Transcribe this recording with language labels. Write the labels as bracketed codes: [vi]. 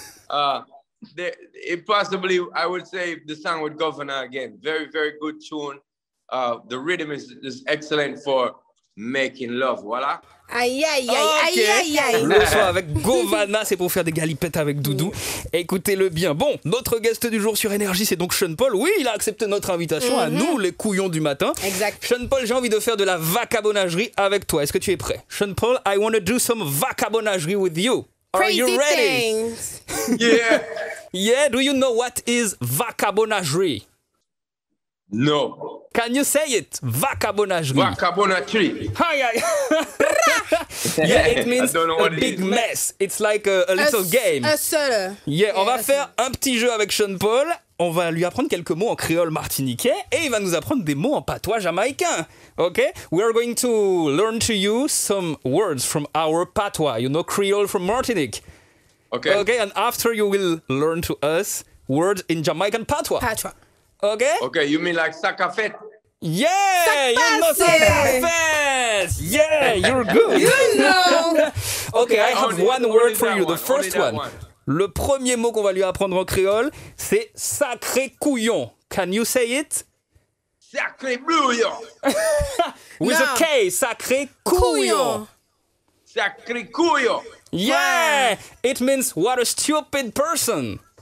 [en] I would say the song with Governor again. Very, very good tune. The rhythm is excellent for making love, voilà. [fr] Aïe, aïe, aïe, le soir avec Govana, c'est pour faire des galipettes avec Doudou. Oui. Écoutez-le bien. Bon, notre guest du jour sur Énergie, c'est donc Sean Paul. Oui, il a accepté notre invitation à nous, les couillons du matin. Exact. Sean Paul, j'ai envie de faire de la vacabonagerie avec toi. Est-ce que tu es prêt? [en] Sean Paul, I want to do some vacabonagerie with you. Are you ready? Crazy things. Yeah. Yeah, do you know what is vacabonagerie? No. Can you say it? Vacabonagerie. Vacabonagerie. Yeah, it means a big mess. It's like a little game. [fr] Un seul. Yeah, on va faire un petit jeu avec Sean Paul. On va lui apprendre quelques mots en créole martiniquais et il va nous apprendre des mots en patois jamaïcain. [en] OK? We are going to learn to you some words from our patois, you know, creole from Martinique. OK. OK, and after you will learn to us words in Jamaican patois. Patois. Okay. Okay. You mean like sac à fête? Yeah. You know sac à fête. Yeah. You're good. You know. Okay. I have one word for you. The first one. [fr] Le premier mot qu'on va lui apprendre en créole, c'est sacré couillon. [en] Can you say it? [fr] Sacré couillon. [en] With a K. Sacré couillon. [fr] Sacré couillon. [en] Yeah. It means what a stupid person.